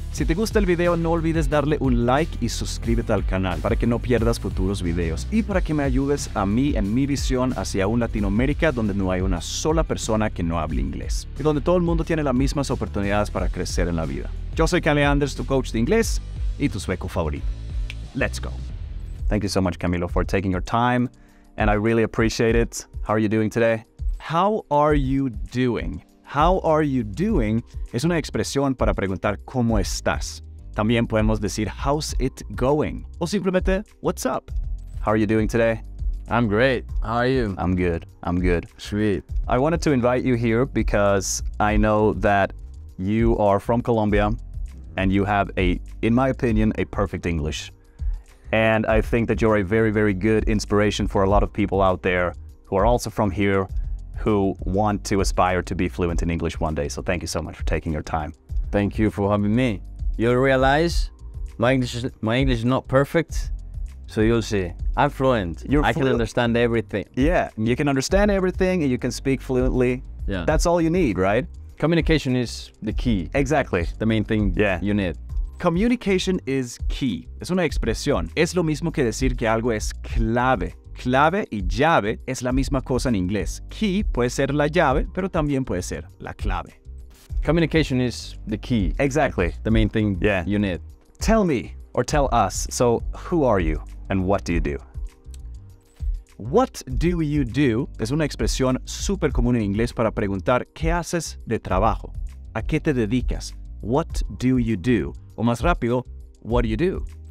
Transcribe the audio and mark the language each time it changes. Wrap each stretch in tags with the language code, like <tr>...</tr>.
<es>Si te gusta el video, no olvides darle un like y suscríbete al canal para que no pierdas futuros videos y para que me ayudes a mí en mi visión hacia un Latinoamérica donde no hay una sola persona que no hable inglés y donde todo el mundo tiene las mismas oportunidades para crecer en la vida. Yo soy Cali Anders, tu coach de inglés y tu sueco favorito.</es> <en>Let's go. Thank you so much, Camilo, for taking your time, and I really appreciate it. How are you doing today? How are you doing? How are you doing?</en> <es>Es una expresión para preguntar cómo estás. También podemos decir</es> <en>how's it going</en> <es>o simplemente</es> <en>what's up. How are you doing today? I'm great. How are you? I'm good. I'm good. Sweet. I wanted to invite you here because I know that you are from Colombia and you have a, in my opinion, a perfect English. And I think that you're a very, very good inspiration for a lot of people out there who are also from here who want to aspire to be fluent in English one day. So thank you so much for taking your time. Thank you for having me. You'll realize my English is not perfect. So you'll see, I'm fluent. I can understand everything. Yeah, you can understand everything and you can speak fluently. Yeah. That's all you need, right? Communication is the key. Exactly. It's the main thing you need. Communication is key.</en> <es>Es una expresión. Es lo mismo que decir que algo es clave. Clave y llave es la misma cosa en inglés. Key puede ser la llave, pero también puede ser la clave.</es> <en>Communication is the key. Exactly. It's the main thing you need. Tell me. Or tell us, so who are you and what do you do? What do you do</en> <es>es una expresión súper común en inglés para preguntar ¿qué haces de trabajo? ¿A qué te dedicas?</es> <en>What do you do?</en> <es>O más rápido,</es> <en>what do you do?</en>